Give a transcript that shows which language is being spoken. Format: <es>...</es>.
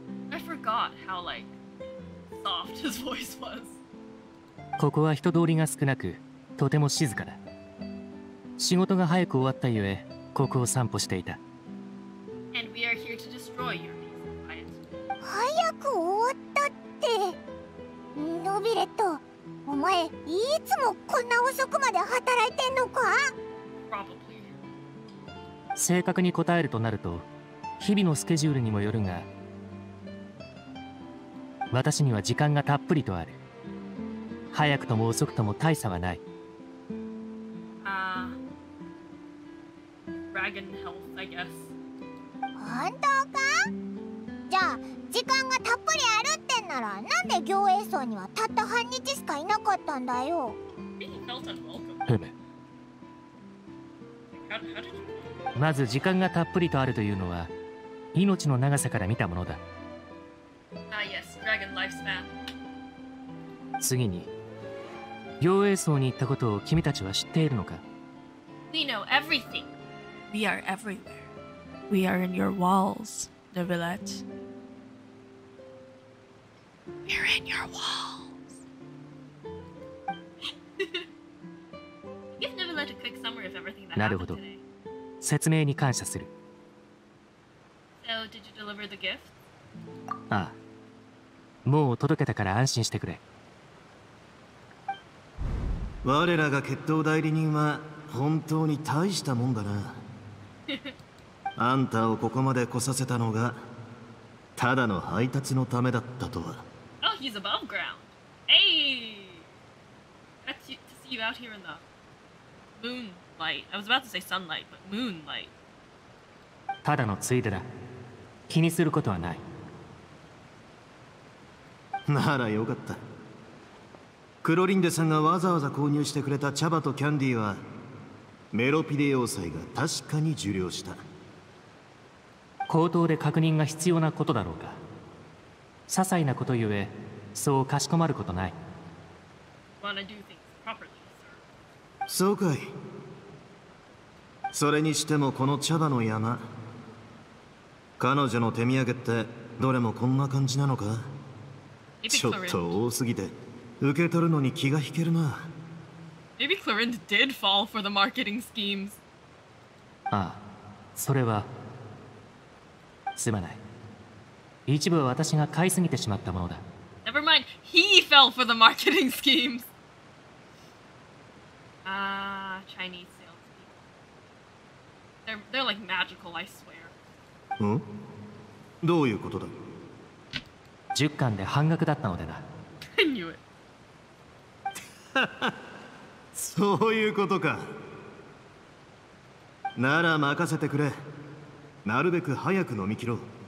<en>I forgot how like soft his voice was.</en> <ja>ここは人通りが少なく、とても静かだ。仕事が早く終わったゆえ、ここを散歩していた。</ja> <en>And we are here to destroy your peace and quiet.</en> <ja>早く終わったって。ノビレット、お前いつもこんな遅くまで働いてんのか？</ja> <en>Probably.</en> <ja>正確に答えるとなると。日々のスケジュールにもよるが、私には時間がたっぷりとある。早くとも遅くとも大差はない。</ja> <en>Dragon health, I guess.</en> <ja>本当か？じゃあ時間がたっぷりあるってんなら、なんで行営層にはたった半日しかいなかったんだよ。ふむ。まず時間がたっぷりとあるというのは。命の長さから見たものだ。</ja> <en>Yes, dragon lifespan.</en> <ja>次に、妖艶層に行ったことを君たちは知っているのか？</ja> <en>We know everything. We are everywhere. We are in your walls, Nevillet. We're in your walls. Give Nevillet a quick summary of everything that happened today.</en> <ja>なるほど。説明に感謝する。</ja> <en>Did you deliver the gift?</en> <ja>ああ、もう届けたから安心してくれ。我らが決闘代理人は本当に大したもんだな。あんたをここまで来させたのがただの配達のためだったとは。</ja> <en>Oh, he's above ground. Hey! Got to see you out here in the moonlight. I was about to say sunlight, but moonlight.</en> <ja>ただのついでだ。気にすることはない。ならよかった。クロリンデさんがわざわざ購入してくれた茶葉とキャンディーはメロピデ要塞が確かに受領した。口頭で確認が必要なことだろうか。些細なことゆえそうかしこまることない。</ja> <en>Wanna do things properly, sir.</en> <ja>そうかい。それにしてもこの茶葉の山、彼女の手土産ってどれもこんな感じなのか？ちょっと多すぎて受け取るのに気が引けるな。</ja> <en>Maybe Clorinde did fall for the marketing schemes.</en> <ja>ああ、それはすまない。一部は私が買いすぎてしまったものだ。</ja> <en>Never mind. He fell for the marketing schemes. Chinese salespeople. They're like magical, I swear.</en> <ja>ん？どういうことだ？ 10巻で半額だったのでな。</ja> <en>I knew it.</en> <ja>そういうことか。なら任せてくれ。なるべく早く飲み切ろう。</ja>